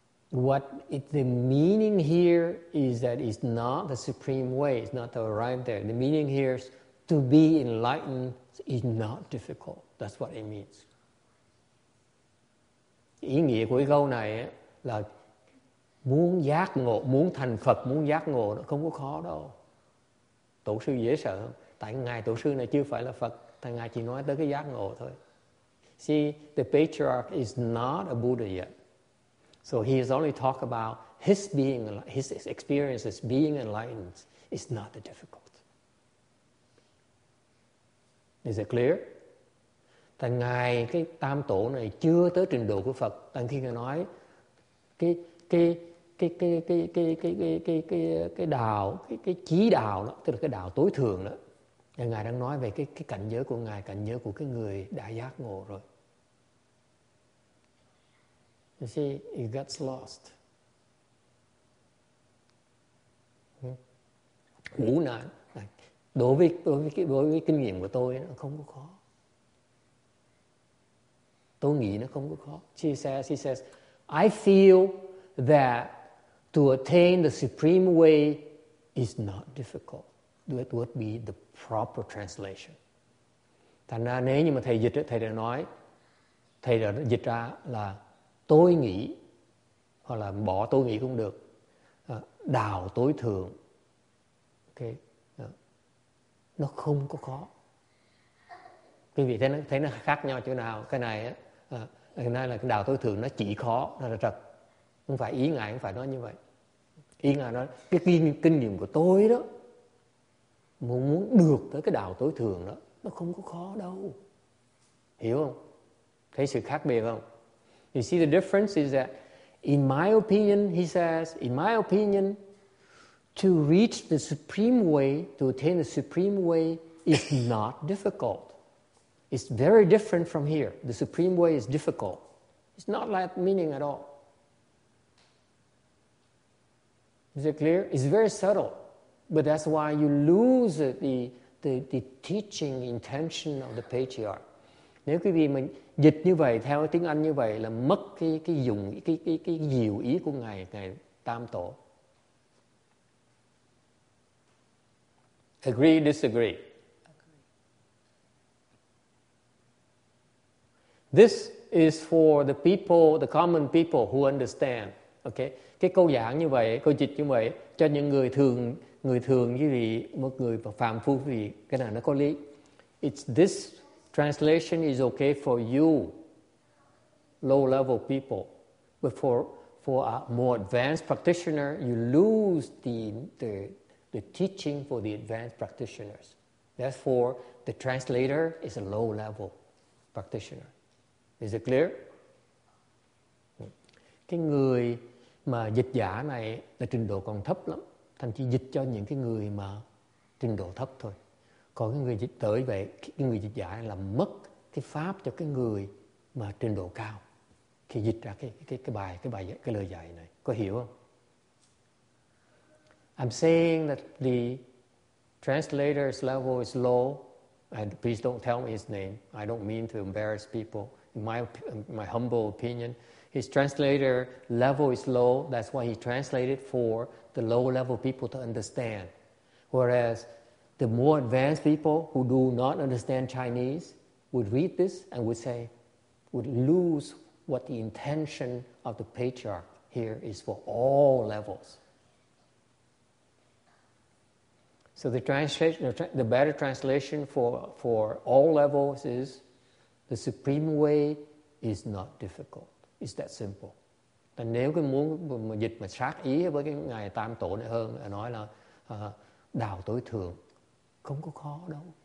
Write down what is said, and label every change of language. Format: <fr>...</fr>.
<en>What is the meaning here is that it's not the supreme way, it's not to arrive there. The meaning here is to be enlightened is not difficult. That's what it means.</en> <vi>Ý nghĩa của cái câu này ấy, là muốn giác ngộ, muốn thành Phật, muốn giác ngộ nó không có khó đâu. Tổ sư dễ sợ không? Tại ngài tổ sư này chưa phải là Phật, tại ngài chỉ nói tới cái giác ngộ thôi.</vi> <en>See, the patriarch is not a Buddha yet. So he has only talked about his being, his experiences being enlightened is not the difficult. Is it clear?</en> <vi>Tại ngài cái tam tổ này chưa tới trình độ của Phật, tại khi ngài nói cái đạo, cái chí đạo đó, tức là cái đạo tối thượng đó. Và Ngài đang nói về cái cảnh giới của Ngài, cảnh giới của cái người đã giác ngộ rồi.</vi> <en>You see, it gets lost.</en> <vi>Ngủ nạn. Đối với kinh nghiệm của tôi, nó không có khó. Tôi nghĩ nó không có khó.</vi> <en>She says, I feel that to attain the supreme way is not difficult. That would be the proper translation.</en> <vi>Thành ra nếu như mà thầy dịch, thầy đã nói, thầy đã dịch ra là tôi nghĩ, hoặc là bỏ tôi nghĩ cũng được, đạo tối thượng, okay, nó không có khó. Quý vị thấy nó khác nhau chỗ nào? Cái này là đạo tối thượng nó chỉ khó, nó là trật. Không phải ý Ngài, không phải nói như vậy. Ý Ngài nói, cái kinh nghiệm của tôi đó, muốn được tới cái đạo tối thượng đó, nó không có khó đâu. Hiểu không? Thấy sự khác biệt không?</vi> <en>You see, the difference is that, in my opinion, he says, in my opinion, to reach the supreme way, to attain the supreme way, is not difficult. It's very different from here. The supreme way is difficult. It's not like meaning at all. Is it clear? It's very subtle. But that's why you lose the teaching intention of the patriarch.</en> <vi>Nếu quý vị mà dịch như vậy, theo tiếng Anh như vậy, là mất cái diệu ý của Ngài Tam Tổ.</vi> <en>Agree, disagree. This is for the people, the common people who understand. Okay?</en> <vi>Cái câu giảng như vậy, câu dịch như vậy, cho những người thường như vậy, một người phàm phu như vậy, cái này nó có lý.</vi> <en>It's this translation is okay for you, low-level people. But for a more advanced practitioner, you lose the teaching for the advanced practitioners. Therefore, the translator is a low-level practitioner. Is it clear?</en> <vi>Cái người mà dịch giả này là trình độ còn thấp lắm. Thậm chí dịch cho những cái người mà trình độ thấp thôi. Còn cái người dịch tới vậy, cái người dịch giả này là mất cái pháp cho cái người mà trình độ cao. Khi dịch ra cái lời dạy này. Có hiểu không?</vi> <en>I'm saying that the translator's level is low. And please don't tell me his name. I don't mean to embarrass people. My humble opinion, his translator level is low. That's why he translated for the low-level people to understand. Whereas the more advanced people who do not understand Chinese would read this and would say, would lose what the intention of the patriarch here is for all levels. So the translation, the better translation for all levels is, the supreme way is not difficult. It's that simple.</en> <vi>Và nếu cái muốn mà dịch mà sát ý với cái Ngài Tam Tổ này hơn, nói là đạo tối thượng không có khó đâu.</vi>